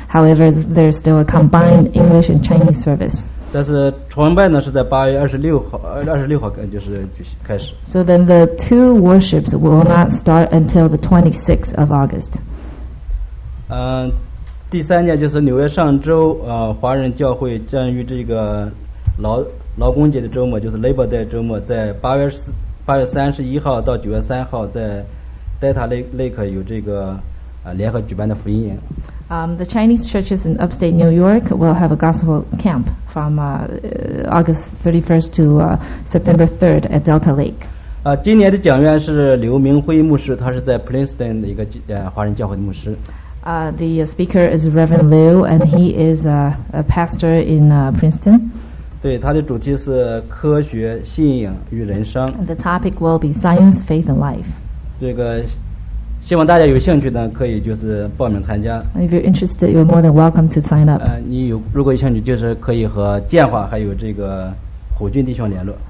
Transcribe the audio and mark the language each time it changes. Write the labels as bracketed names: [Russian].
[English] However, there's still a combined English and Chinese service. [Chinese] 但是崇拜呢是在8月26号就是开始。 [English] So then the two worships will not start until the 26th of August. [Chinese] 第三件就是纽约上周华人教会将于这个劳工节的周末，就是 Labor Day 周末，在8月31号到9月3号在 Delta Lake 有这个联合举办的福音营。 [English] The Chinese churches in upstate New York will have a gospel camp from August 31st to September 3rd at Delta Lake. [Chinese] 今年的讲员是刘明辉牧师，他是在 Princeton 的一个华人教会的牧师。 [English] The speaker is Reverend Liu, and he is a pastor in Princeton. [Chinese] 对，他的主题是科学、信仰与人生。 [English] The topic will be science, faith, and life. [Chinese] 这个。希望大家有兴趣呢，可以就是报名参加。 [English] If you're interested, you're more than welcome to sign up. [Chinese] 你有如果有兴趣，就是可以和建华还有这个胡俊弟兄联络。